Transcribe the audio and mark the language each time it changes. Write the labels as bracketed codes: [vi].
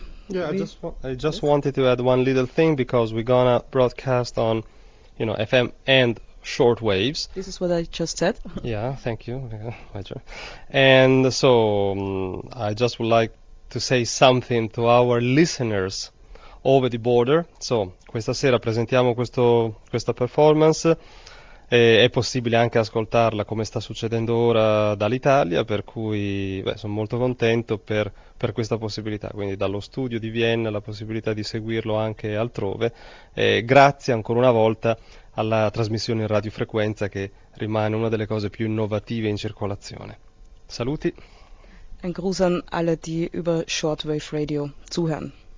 [en] I just wanted to add one little thing because we're gonna broadcast on, you know, FM and short waves. This is what I just said. Yeah, thank you. And so I just would like to say something to our listeners over the border. [it] So questa sera presentiamo questa performance. È possibile anche ascoltarla come sta succedendo ora dall'Italia, per cui sono molto contento per questa possibilità, quindi dallo studio di Vienna la possibilità di seguirlo anche altrove, grazie ancora una volta alla trasmissione in radiofrequenza che rimane una delle cose più innovative in circolazione. Saluti. [de] Ein Gruß an alle die über Shortwave Radio zuhören.